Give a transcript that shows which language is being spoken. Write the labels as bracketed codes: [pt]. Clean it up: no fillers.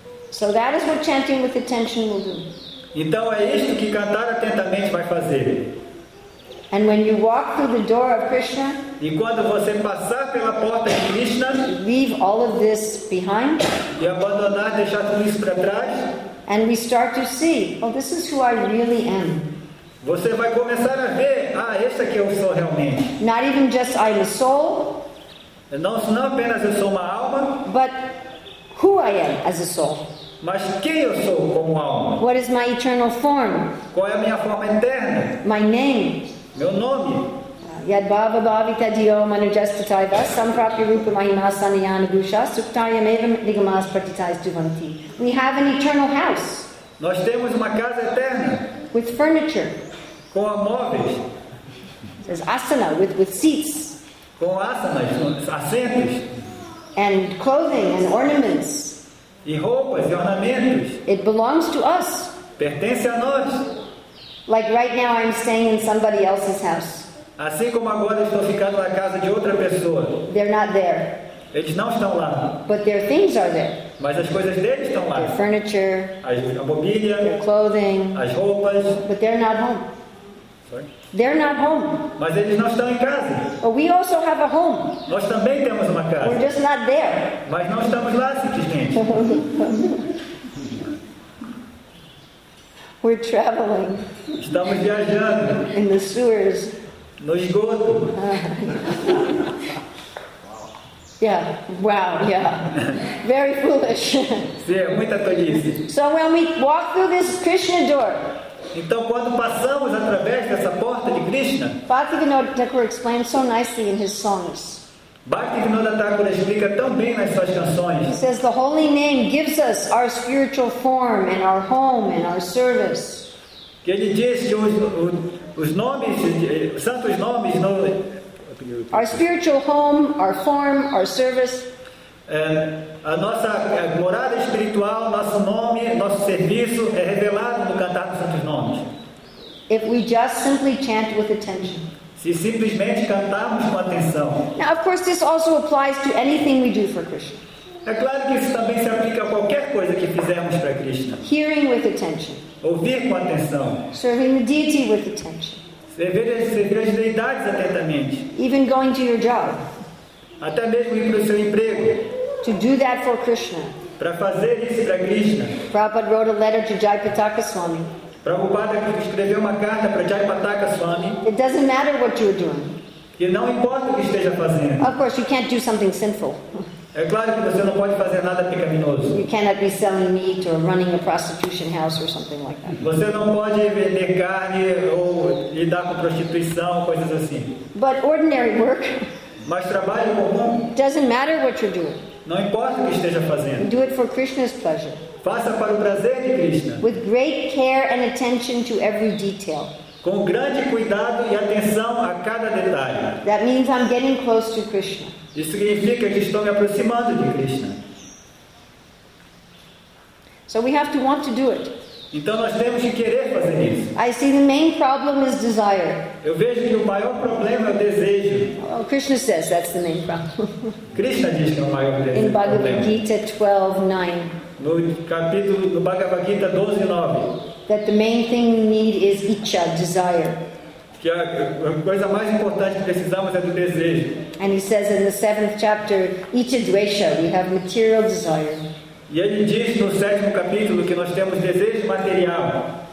[en] So that is what chanting with attention will do. [pt] Então é isto que cantar atentamente vai fazer. [en] And when you walk through the door of Krishna, [pt] e quando você passar pela porta de Krishna, [en] leave all of this behind, [pt] e abandonar, deixar tudo isso para trás, [en] and we start to see, oh, this is who I really am. [pt] Você vai começar a ver, ah, esse aqui eu sou realmente. [en] Not even just I'm a soul. [pt] Não apenas eu sou uma alma. [en] But who I am as a soul. [pt] Mas quem eu sou como alma? [en] What is my eternal form? [pt] Qual é a minha forma eterna? [en] My name. [pt] Meu nome. [sa] Yad bhava bhavita diyo manujastitai vasam prapya rupa mahima sanayana gusha suktayam evam nigamas pratitais duvanti. [en] We have an eternal house. [pt] Nós temos uma casa eterna. [en] With furniture. [pt] Com móveis. [en] There's asana, with seats. [pt] Com asanas, assentos. [en] And clothing and ornaments. [pt] E roupas e ornamentos. [en] It belongs to us. [pt] Pertence a nós. [en] Like right now I'm staying in somebody else's house. [pt] Assim como agora estão ficando na casa de outra pessoa. [en] They're not there. [pt] Eles não estão lá. [en] But their things are there. [pt] Mas as coisas deles estão lá. [en] Their furniture. [pt] A mobília. [en] Their clothing. [pt] As roupas. [en] But they're not home. Sorry? They're not home. [pt] Mas eles não estão em casa. [en] But we also have a home. [pt] Nós também temos uma casa. [en] We're just not there. [pt] Mas não estamos lá, simplesmente. [en] We're traveling. [pt] Estamos viajando. [en] In the sewers. [pt] No esgoto. [en] Yeah, wow, yeah. Very foolish. [pt] Sim, muita tolice. [en] So when we walk through this Krishna door. [pt] Então quando passamos através dessa porta de Krishna. [en] Bhaktivinoda Thakur explains so nicely in his songs. [pt] Bhaktivinoda Thakur explica tão bem nas suas canções. [en] He says the holy name gives us our spiritual form and our home and our service. [pt] Que ele diz que os nomes, os santos nomes no [en] our spiritual home, our form, our service. [pt] A nossa morada espiritual, nosso nome, nosso serviço é revelado no cantar dos santos nomes. [en] If we just simply chant with attention. [pt] Se simplesmente cantarmos com atenção. [en] Now, of course, this also applies to anything we do for Krishna. [pt] É claro que isso também se aplica a qualquer coisa que fizermos para Krishna. [en] Hearing with attention. [pt] Ouvir com atenção. [en] Serving the deity with attention. [pt] Servir as deidades atentamente. [en] Even going to your job. [pt] Até mesmo ir para o seu emprego. [en] To do that for Krishna. [pt] Para fazer isso para Krishna. [en] Prabhupada wrote a letter to Jayapataka Swami. [pt] Prabhupada escreveu uma carta para Jayapataka Swami. [en] It doesn't matter what you're doing. [pt] E não importa o que esteja fazendo. [en] Of course, you can't do something sinful. [pt] É claro que você não pode fazer nada pecaminoso. [en] You cannot be selling meat or running a prostitution house or something like that. [pt] Você não pode vender carne ou lidar com prostituição, coisas assim. [en] But ordinary work. [pt] Mas trabalho comum. [en] Doesn't matter what you're doing. [pt] Não importa o que esteja fazendo. [en] Do it for Krishna's pleasure. [pt] Faça para o prazer de Krishna. [en] With great care and attention to every detail. [pt] Com grande cuidado e atenção a cada detalhe. [en] That means I'm getting close to Krishna. [pt] Isso significa que estou me aproximando de Krishna. [en] So we have to want to do it. [pt] Então nós temos que querer fazer isso. [en] I see the main problem is desire. [pt] Eu vejo que o maior problema é o desejo. [en] Oh, Krishna says that's the main problem. [pt] Krishna diz que é o maior problema. [en] In Bhagavad Gita 12:9. [pt] No capítulo do Bhagavad Gita 12:9. [en] That the main thing we need is ichha, desire. [pt] Que a coisa mais importante que precisamos é do desejo. [en] And he says in the 7th chapter, ichha dvesha, we have material desire. [pt] E ele diz no 7º capítulo que nós temos desejo material.